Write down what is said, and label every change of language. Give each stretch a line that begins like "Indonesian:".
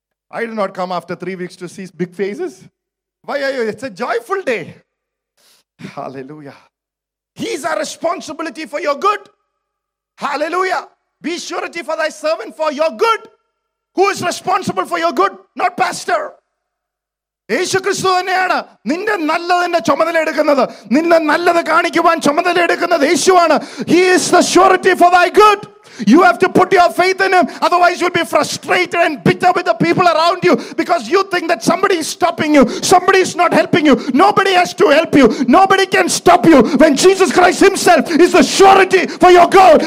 English: I did not come after 3 weeks to see big faces. Why are you? It's a joyful day. Hallelujah. He's our responsibility for your good. Hallelujah. Be surety for thy servant for your good. Who is responsible for your good? Not pastor.
Malayalam: യേശു ക്രിസ്തു തന്നെയാണ് നിന്റെ നല്ലതിന്റെ ചുമതല എടുക്കുന്നത്. നിന്റെ നല്ലത് കാണിക്കുവാൻ ചുമതല എടുക്കുന്നത് യേശുവാണ്.
English: He is the surety for thy good. You have to put your faith in him. Otherwise, you'll be frustrated and bitter with the people around you because you think that somebody is stopping you. Somebody is not helping you. Nobody has to help you. Nobody can stop you when Jesus Christ himself is the surety for your goal.